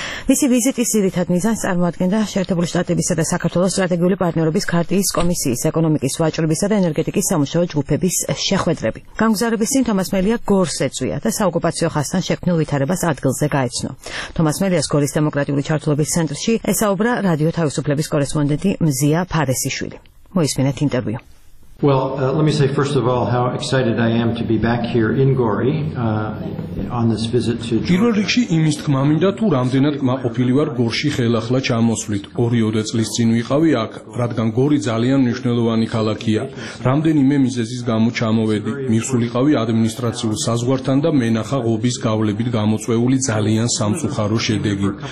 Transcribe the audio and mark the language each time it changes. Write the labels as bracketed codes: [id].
[ka] მისი ვიზიტის ძირითად მიზანს წარმოადგენდა შეერთებული შტატებისა და საქართველოს სტრატეგიული პარტნიორობის ქარტის კომისიის ეკონომიკის ვაჭრობისა და ენერგეტიკის სამუშაო ჯგუფების შეხვედრები. განგზარების წინ თომას მელია გორს ეწვია და საოკუპაციო ხასთან შექმნილ ვითარებას ადგილზე გაეცნო. თომას მელიას გორის დემოკრატიული ჩართულობის ცენტრში ესაუბრა რადიო თავისუფლების კორესპონდენტი მზია ფარესიშვილი. მოისმინეთ ინტერვიუ. [en] Well, let me say first of all how excited I am to be back here in Gori on this visit to Georgia. [ka] პირველ რიგში იმის თქმა მინდა თუ რამდენად გმაყოფილი ვარ გორში ხელახლა ჩამოსვლით. 2-3 წლის წინ ვიყავი აქ, რადგან გორი ძალიან მნიშვნელოვანი ქალაქია. რამდენიმე მიზეზის გამო ჩამოვედი. მისულიყავი ადმინისტრაციულ საზღვართან და მენახა ღობის გავლებით გამოწვეული ძალიან სამწუხარო შედეგი.